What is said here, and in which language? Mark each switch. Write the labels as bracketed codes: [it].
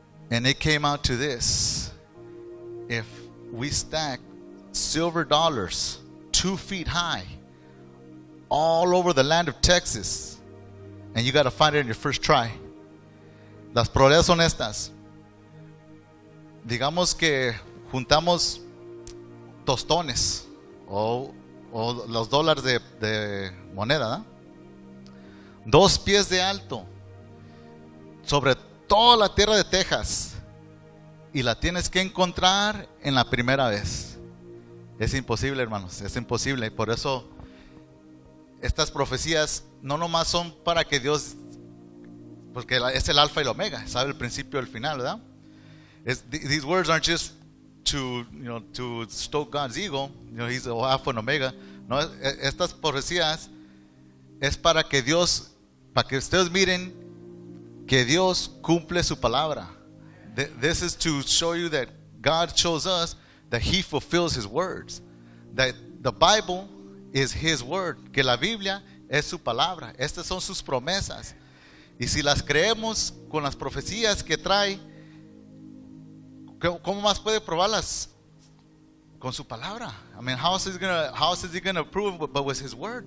[en] And it came out to this. If we stack silver dollars 2 feet high all over the land of Texas, and you got to find it in your first try. [es] Las probabilidades son estas. Digamos que juntamos tostones o los dólares de moneda, ¿no? 2 pies de alto sobre toda la tierra de Texas, y la tienes que encontrar en la primera vez. Es imposible, hermanos, es imposible. Por eso estas profecías no nomás son para que Dios, porque es el alfa y el omega, sabe el principio y el final, ¿verdad? [en] These words aren't just to stoke God's ego, he's the alpha and omega. [es] No, estas profecías es para que Dios, para que ustedes miren que Dios cumple su palabra. [en] This is to show you that God shows us that he fulfills his words, that the Bible is his word, [es] que la Biblia es su palabra. Estas son sus promesas, y si las creemos con las profecías que trae, ¿cómo más puede probarlas? Con su palabra. [en] I mean, how else is he gonna prove but with his word?